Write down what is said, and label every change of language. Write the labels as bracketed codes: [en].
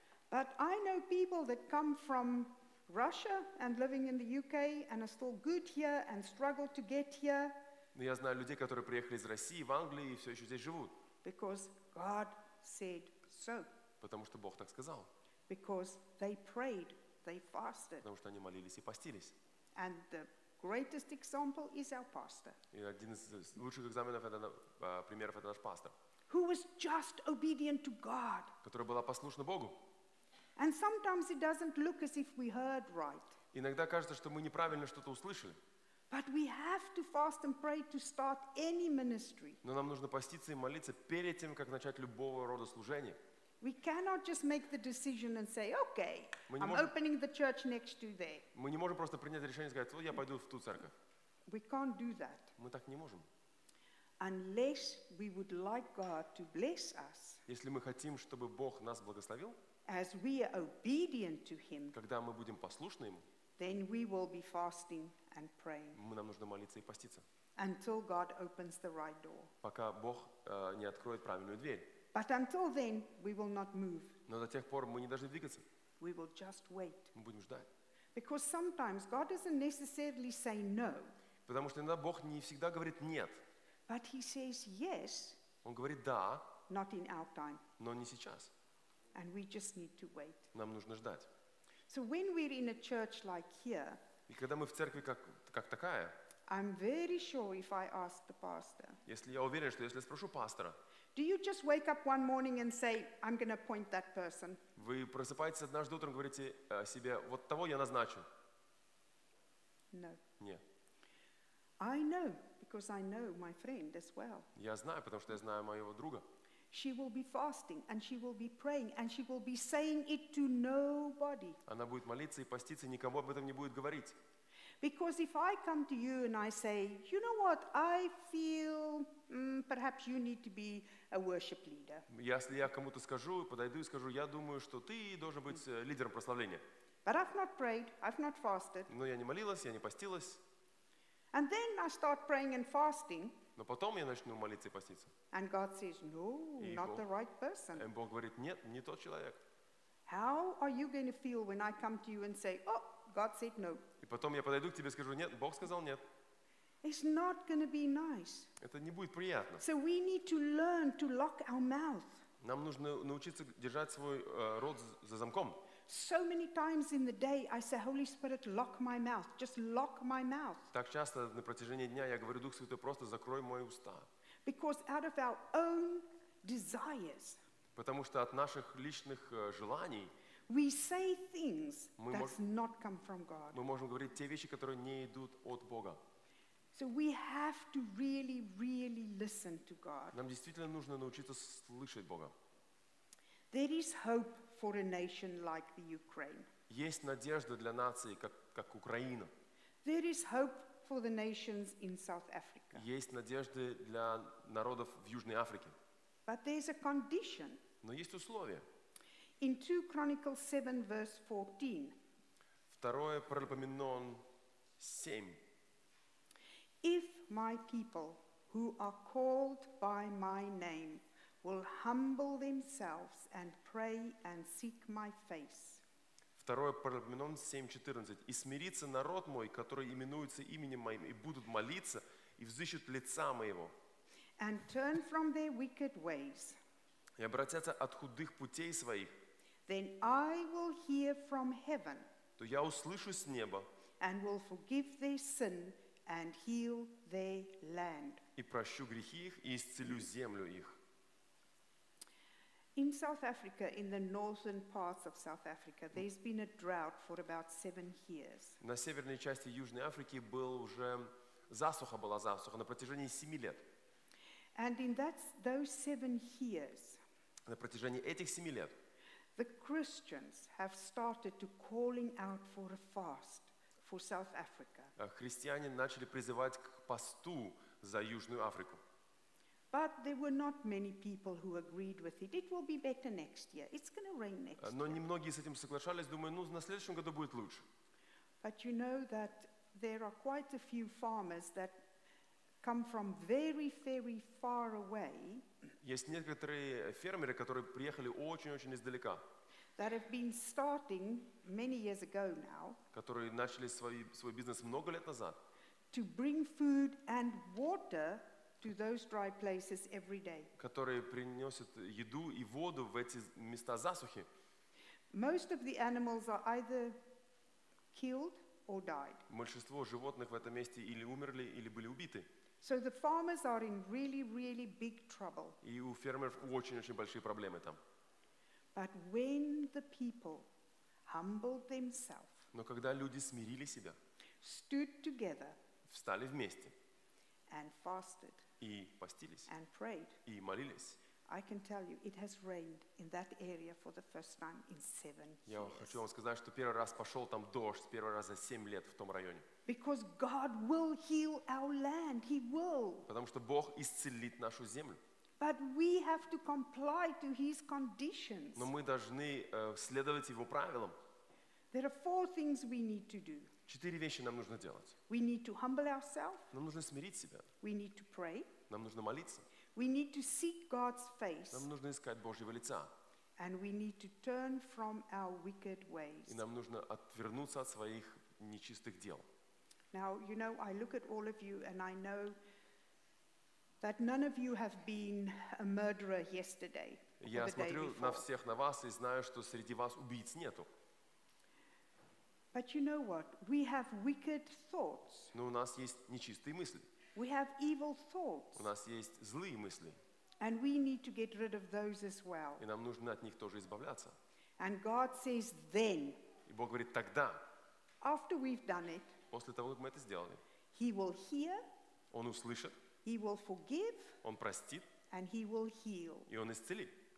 [en] But I know people that come from Russia and living in the UK and are still good here and struggle to get here. [ru] Но я знаю людей, которые приехали из России в Англию и все еще здесь живут. [en] Because God said so. [ru] Потому что Бог так сказал. [en] Because they prayed. They fasted. [ru] Потому что они молились и постились. [en] And the greatest example is our pastor. [ru] И один из лучших экзаменов это примеров это наш пастор. [en] Who was just obedient to God. [ru] Которая была послушна Богу. [en] And sometimes it doesn't look as if we heard right. [ru] Иногда кажется, что мы неправильно что-то услышали. [en] But we have to fast and pray to start any ministry. [ru] Но нам нужно поститься и молиться перед тем, как начать любого рода служение. [en] We cannot just make the decision and say, "Okay, I'm opening the church next to there." [ru] Мы не можем просто принять решение и сказать, "Я пойду в ту церковь." [en] We can't do that. [ru] Мы так не можем. [en] Unless we would like God to bless us. [ru] Если мы хотим, чтобы Бог нас благословил. [en] As we are obedient to Him. [ru] Когда мы будем послушны Ему. [en] Then we will be fasting and praying. [ru] Нам нужно молиться и поститься. [en] Until God opens the right door. [ru] Пока Бог не откроет правильную дверь. [en] But until then, we will not move. [ru] Но до тех пор мы не должны двигаться. [en] We will just wait. [ru] Мы будем ждать. [en] Because sometimes God doesn't necessarily say no. [ru] Потому что иногда Бог не всегда говорит нет. [en] But He says yes. [ru] Он говорит да. [en] Not in our time. [ru] Но не сейчас. [en] And we just need to wait. [ru] Нам нужно ждать. [en] So when we're in a church like here, [ru] и когда мы в церкви как такая, [en] I'm very sure if I ask the pastor. [ru] Если я уверен, что если спрошу пастора. [en] Do you just wake up one morning and say, "I'm going to appoint that person"? [ru] Вы просыпаетесь однажды утром, говорите себе, вот того я назначу. [en] No. [ru] Нет. [en] I know because I know my friend as well. [ru] Я знаю, потому что я знаю моего друга. [en] She will be fasting and she will be praying and she will be saying it to nobody. [ru] Она будет молиться и поститься, никому об этом не будет говорить. [en] Because if I come to you and I say, you know what, I feel perhaps you need to be a worship leader. [ru] Если я кому-то скажу, подойду и скажу, я думаю, что ты должен быть лидером прославления. [en] But I've not prayed, I've not fasted. [ru] Но я не молилась, я не постилась. [en] And then I start praying and fasting. [ru] Но потом я начну молиться и поститься. [en] And God says, no, not the right person. [ru] И Бог говорит, нет, не тот человек. [en] How are you going to feel when I come to you and say, oh, God said no? [ru] И потом я подойду к тебе и скажу, нет, Бог сказал нет. [en] It's not going to be nice. [ru] Это не будет приятно. [en] So we need to learn to lock our mouth. [ru] Нам нужно научиться держать свой рот за замком. [en] So many times in the day I say, Holy Spirit, lock my mouth. Just lock my mouth. [ru] Так часто на протяжении дня я говорю, Дух Святой, просто закрой мои уста. [en] Because out of our own desires. [ru] Потому что от наших личных желаний [en] we say things that's not come from God. [ru] Мы можем говорить те вещи, которые не идут от Бога. [en] So we have to really, really listen to God. [ru] Нам действительно нужно научиться слышать Бога. [en] There is hope for a nation like the Ukraine. [ru] Есть надежда для нации, как Украина. [en] There is hope for the nations in South Africa. [ru] Есть надежды для народов в Южной Африке. [en] But there's a condition. [ru] Но есть условия. [en] In 2 Chronicles 7, verse 14. [ru] Второе Паралипоменон 7. [en] If my people who are called by my name will humble themselves and pray and seek my face. [ru] Второе Паралипоменон 7:14. И смирится народ мой, который именуется именем моим, и будут молиться и взыщут лица моего. [en] And turn from their wicked ways. [ru] И обратятся от худых путей своих. [en] Then I will hear from heaven. [ru] То я услышу с неба. [en] And will forgive their sin and heal their land. [ru] И прощу грехи их и исцелю землю их. [en] In South Africa, in the northern parts of South Africa, there's been a drought for about 7 years. [ru] На северной части Южной Африки был уже засуха на протяжении 7 лет. [en] And in those 7 years, [ru] на протяжении этих 7 лет, [en] the Christians have started to calling out for a fast for South Africa. [ru] Христиане начали призывать к посту за Южную Африку. [en] But there were not many people who agreed with it. It will be better next year. It's going to rain next year. [ru] Но немногие с этим соглашались, думая, ну, на следующем году будет лучше. [en] But you know that there are quite a few farmers that come from very, very far away. [ru] Есть некоторые фермеры, которые приехали очень-очень издалека. [en] That have been starting many years ago now. [ru] Которые начали свой бизнес много лет назад. [en] To bring food and water to those dry places every day. [ru] Которые приносят еду и воду в эти места засухи. [en] Most of the animals are either killed or died. [ru] Большинство животных в этом месте или умерли, или были убиты. [en] So the farmers are in really, really big trouble. [ru] И у фермеров очень-очень большие проблемы там. [en] But when the people humbled themselves, [ru] но когда люди смирили себя, [en] stood together, [ru] встали вместе, [en] and fasted, [ru] и постились, [en] and prayed, [ru] и молились. [en] I can tell you, it has rained in that area for the first time in 7 years. [ru] Я хочу вам сказать, что первый раз пошел там дождь, первый раз за 7 лет в том районе. [en] Because God will heal our land, He will. [ru] Потому что Бог исцелит нашу землю. [en] But we have to comply to His conditions. [ru] Но мы должны следовать Его правилам. [en] There are 4 things we need to do. [ru] 4 вещи нам нужно делать. [en] We need to humble ourselves. [ru] Нам нужно смирить себя. [en] We need to pray. [ru] Нам нужно молиться. [en] We need to seek God's face. [ru] Нам нужно искать Божьего лица. [en] And we need to turn from our wicked ways. [ru] И нам нужно отвернуться от своих нечистых дел. [en] Now, you know, I look at all of you and I know that none of you have been a murderer yesterday. [ru] Я смотрю на всех на вас и знаю, что среди вас убийц нету. [en] But you know what? We have wicked thoughts. [ru] Но у нас есть нечистые мысли. [en] We have evil thoughts. [ru] У нас есть злые мысли. [en] And we need to get rid of those as well. [ru] И нам нужно от них тоже избавляться. [en] And God says then. [ru] И Бог говорит тогда. [en] After we've done it. [ru] После того, как мы это сделали. [en] He will hear. [ru] Он услышит. [en] He will forgive. [ru] Он простит. [en] And he will heal. [ru] И он исцелит.